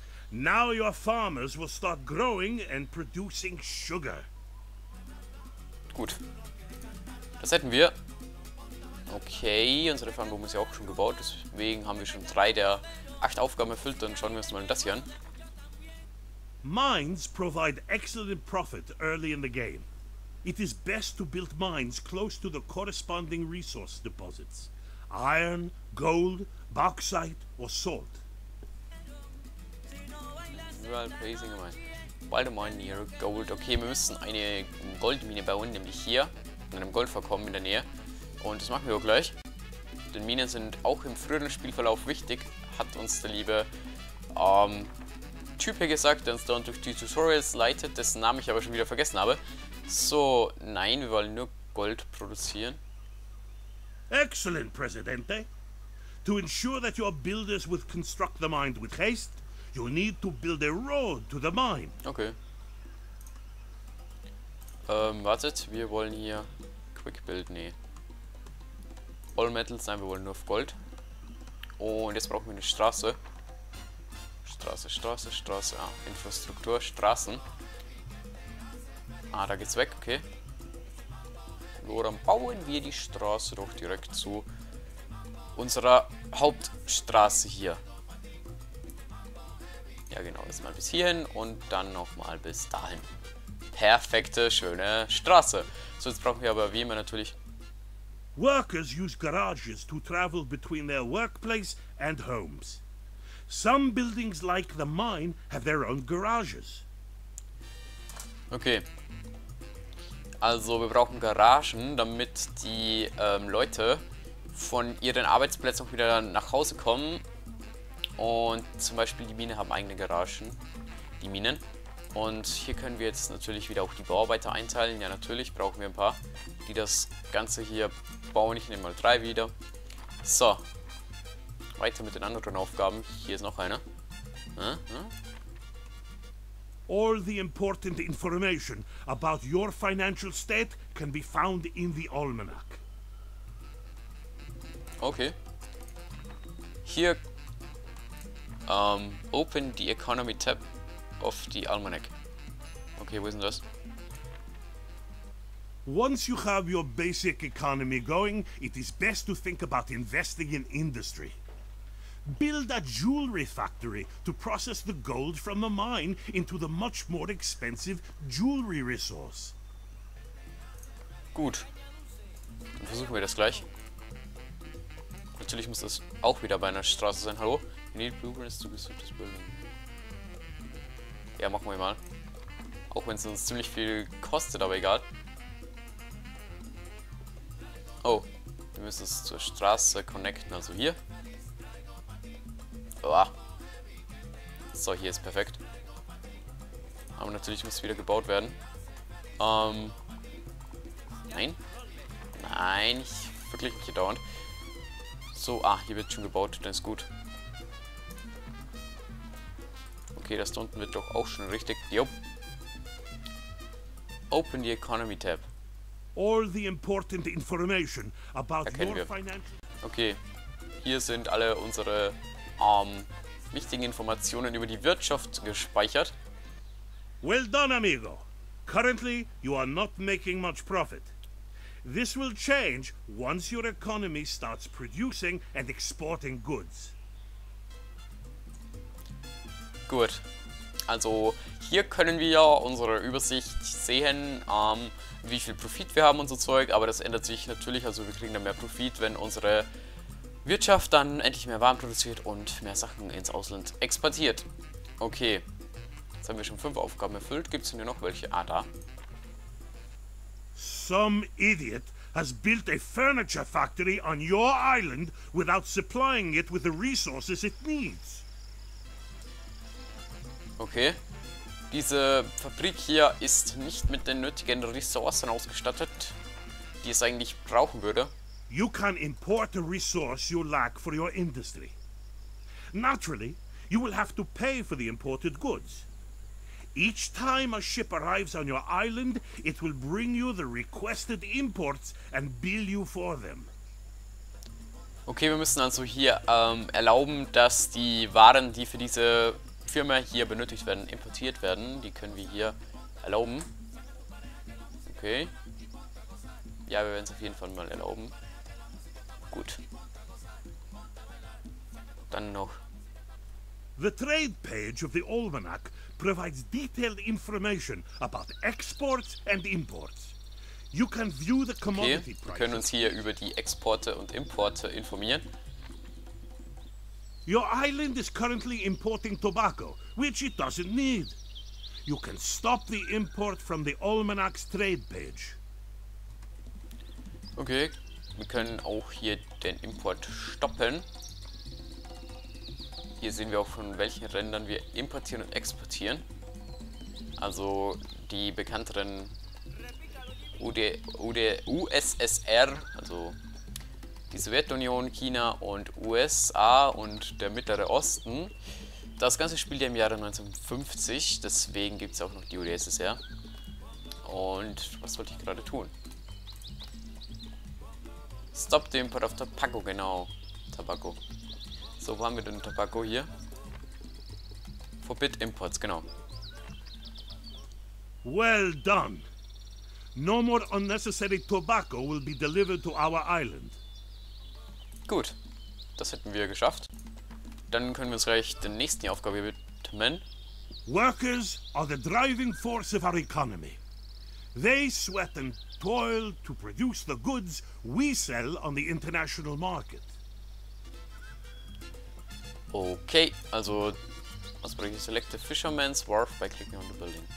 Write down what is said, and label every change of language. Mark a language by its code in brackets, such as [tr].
[en] Now your farmers will start growing and producing sugar. [de] Gut. Das hätten wir. Okay, unsere Farmbombe ist ja auch schon gebaut, deswegen haben wir schon 3 der 8 Aufgaben erfüllt. Dann schauen wir uns mal das hier an. [en] Mines provide excellent profit early in the game. It is best to build mines close to the corresponding resource deposits. Iron, gold, bauxite or salt. Well, placing a mine. Bald a mine near gold. [de] Okay, wir müssen eine Goldmine bauen, nämlich hier, in einem Goldvorkommen in der Nähe. Und das machen wir auch gleich. Denn Minen sind auch im früheren Spielverlauf wichtig, hat uns der liebe Typ hier gesagt, der uns dann durch die Tutorials leitet, dessen Namen ich aber schon wieder vergessen habe. So, nein, wir wollen nur Gold produzieren. [en] Excellent, Presidente. To ensure that your builders will construct the mine with haste, you need to build a road to the mine. Okay. [de] Wartet, wir wollen hier Quick Build, nee. All Metals, nein, wir wollen nur auf Gold. Und jetzt brauchen wir eine Straße. Straße, ja. Infrastruktur, Straßen. Ah, da geht's weg, okay. So, dann bauen wir die Straße doch direkt zu unserer Hauptstraße hier. Ja, genau, das mal bis hierhin und dann nochmal bis dahin. Perfekte, schöne Straße. So, jetzt brauchen wir aber wie immer natürlich. [en] Workers use garages to travel between their workplace and homes. Some buildings like the mine have their own garages. Okay. [de] Also wir brauchen Garagen, damit die Leute von ihren Arbeitsplätzen auch wieder nach Hause kommen. Und zum Beispiel die Minen haben eigene Garagen. Die Minen. Und hier können wir jetzt natürlich wieder auch die Bauarbeiter einteilen. Ja, natürlich brauchen wir ein paar, die das Ganze hier bauen. Ich nehme mal 3 wieder. So. Weiter mit den anderen Aufgaben. Hier ist noch eine. [en] All the important information about your financial state can be found in the Almanac. [de] Okay. Hier. [en] Open the Economy tab of the Almanac. [de] Okay, wo ist denn das? [en] Once you have your basic economy going, it is best to think about investing in industry. Build a jewelry factory to process the gold from the mine into the much more expensive jewelry resource. [de] Gut. Dann versuchen wir das gleich. Natürlich muss das auch wieder bei einer Straße sein. Hallo? [en] You need blueprints to construct this building. [de] Ja, machen wir mal. Auch wenn es uns ziemlich viel kostet, aber egal. Oh, wir müssen es zur Straße connecten, also hier. Boah. So, hier ist perfekt. Aber natürlich muss wieder gebaut werden. Nein. Nein, ich verklicke mich hier dauernd. So, ah, hier wird schon gebaut, dann ist gut. Okay, das da unten wird doch auch schon richtig. Jo. [en] Open the Economy tab. All the important information about your financial. [de] Okay, hier sind alle unsere wichtigen Informationen über die Wirtschaft gespeichert. [en] Well done, amigo. Currently, you are not making much profit. This will change once your economy starts producing and exporting goods. [de] Gut. Also hier können wir unsere Übersicht sehen, wie viel Profit wir haben und so Zeug, aber das ändert sich natürlich, also wir kriegen dann mehr Profit, wenn unsere Wirtschaft dann endlich mehr Waren produziert und mehr Sachen ins Ausland exportiert. Okay, jetzt haben wir schon 5 Aufgaben erfüllt, gibt es denn hier noch welche? Ah, da. [en] Some idiot has built a furniture factory on your island without supplying it with the resources it needs. [de] Okay, diese Fabrik hier ist nicht mit den nötigen Ressourcen ausgestattet, die es eigentlich brauchen würde. [en] You can import the resource you lack for your industry. Naturally, you will have to pay for the imported goods. Each time a ship arrives on your island, it will bring you the requested imports and bill you for them. [de] Okay, wir müssen also hier erlauben, dass die Waren, die für diese Firma hier benötigt werden, importiert werden. Die können wir hier erlauben. Okay. Ja, wir werden es auf jeden Fall mal erlauben. Gut. Dann noch. [en] The trade page of the Almanac provides detailed information about exports and imports. You can view the commodity prices. [de] Okay, wir können uns hier über die Exporte und Importe informieren. [en] Your island is currently importing tobacco, which it doesn't need. You can stop the import from the Almanac's trade page. [de] Okay, wir können auch hier den Import stoppen. Hier sehen wir auch, von welchen Rändern wir importieren und exportieren. Also die bekannteren USSR, also die Sowjetunion, China und USA und der Mittlere Osten. Das Ganze spielt ja im Jahre 1950, deswegen gibt es auch noch die USSR. Und was wollte ich gerade tun? [en] Stop the import of tobacco, [de] genau. Tobacco. So, wo haben wir denn Tobacco hier? [en] Forbid imports, genau. Well done. No more unnecessary tobacco will be delivered to our island. [de] Gut, das hätten wir geschafft. Dann können wir uns gleich der nächsten Aufgabe widmen. [en] Workers are the driving force of our economy. They sweat and toil to produce the goods we sell on the international market. [de] Okay, also was bringt [en] Select a Fisherman's Wharf by clicking on the building.